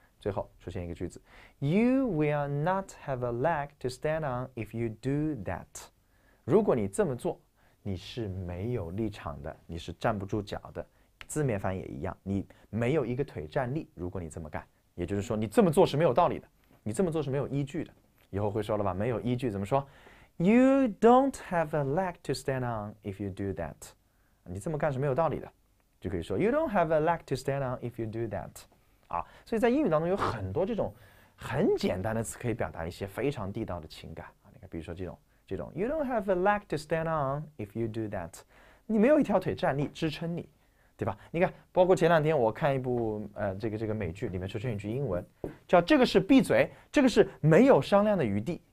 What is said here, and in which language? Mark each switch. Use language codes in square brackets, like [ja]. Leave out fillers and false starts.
[zh] 最后出现一个句子， [en] You will not have a leg to stand on if you do that。 [zh] 如果你这么做，你是没有立场的，你是站不住脚的。字面翻译也一样，你没有一个腿站立。如果你这么干，也就是说你这么做是没有道理的，你这么做是没有依据的。以后会说了吧，没有依据怎么说？ [en] You don't have a leg to stand on if you do that。 [zh] 你这么干是没有道理的，就可以说 [en] You don't have a leg to stand on if you do that。 [zh] 啊，所以在英语当中有很多这种很简单的词可以表达一些非常地道的情感啊。你看，比如说这种 [en] You don't have a leg to stand on if you do that。 [zh] 你没有一条腿站立支撑你，对吧？你看，包括前两天我看一部这个美剧，里面出现一句英文，叫这个是闭嘴，这个是没有商量的余地。